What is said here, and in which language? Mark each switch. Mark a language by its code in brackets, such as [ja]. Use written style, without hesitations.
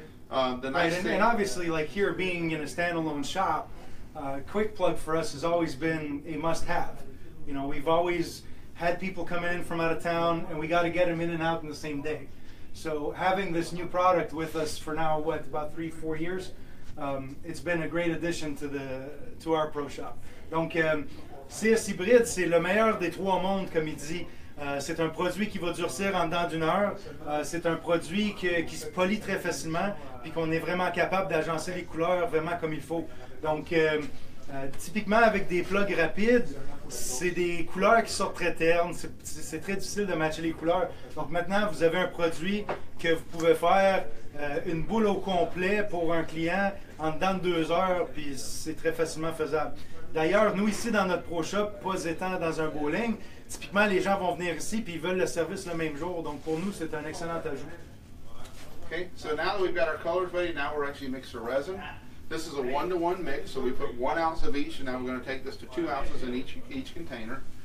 [en] And obviously, like here being in a standalone shop, Quick Plug for us has always been a must-have. You know, we've always had people come in from out of town, and we got to get them in and out in the same day. So having this new product with us for now, about 3-4 years, it's been a great addition to our pro shop. [fr] Donc, CS Hybride, c'est le meilleur des trois mondes, comme il dit. C'est un produit qui va durcir en dedans d'une heure. C'est un produit qui se polie très facilement, puis qu'on est vraiment capable d'agencer les couleurs vraiment comme il faut. Donc, typiquement, avec des plugs rapides, c'est des couleurs qui sortent très ternes. C'est très difficile de matcher les couleurs. Donc, maintenant, vous avez un produit que vous pouvez faire une boule au complet pour un client en dedans de 2 heures, puis c'est très facilement faisable. D'ailleurs, nous ici dans notre Pro Shop, pas étant dans un bowling, typiquement les gens vont venir ici puis ils veulent le service le même jour. Donc pour nous, c'est un excellent ajout. [en] Okay, so now that we've got our colors ready, now we're actually mixing the resin. This is a 1-to-1 mix, so we put 1 ounce of each, and now we're going to take this to 2 ounces in each container.